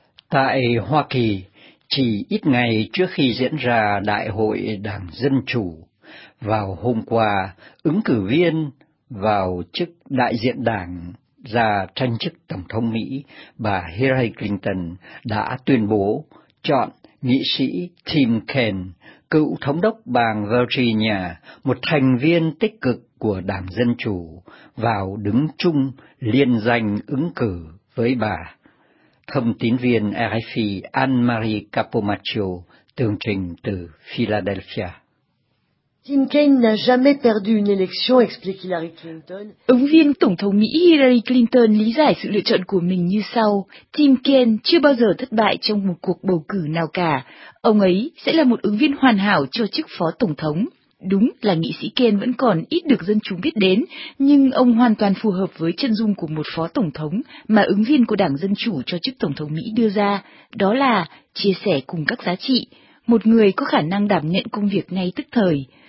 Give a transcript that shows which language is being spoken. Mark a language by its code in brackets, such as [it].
[vi] Tại Hoa Kỳ, chỉ ít ngày trước khi diễn ra Đại hội Đảng Dân Chủ, vào hôm qua, ứng cử viên vào chức đại diện đảng ra tranh chức Tổng thống Mỹ, bà Hillary Clinton, đã tuyên bố chọn nghị sĩ Tim Kaine, cựu thống đốc bang Virginia, một thành viên tích cực của Đảng Dân Chủ, vào đứng chung liên danh ứng cử với bà. Thông tín viên RFI Anne-Marie Capomaccio tường trình từ Philadelphia. [fr] Tim Kaine n'a jamais perdu une élection, explique Hillary Clinton. [vi] Ứng viên Tổng thống Mỹ Hillary Clinton lý giải sự lựa chọn của mình như sau. Tim Kaine chưa bao giờ thất bại trong một cuộc bầu cử nào cả. Ông ấy sẽ là một ứng viên hoàn hảo cho chức phó tổng thống. Đúng là nghị sĩ Kaine vẫn còn ít được dân chúng biết đến, nhưng ông hoàn toàn phù hợp với chân dung của một phó tổng thống mà ứng viên của Đảng Dân Chủ cho chức tổng thống Mỹ đưa ra, đó là chia sẻ cùng các giá trị, một người có khả năng đảm nhận công việc ngay tức thời.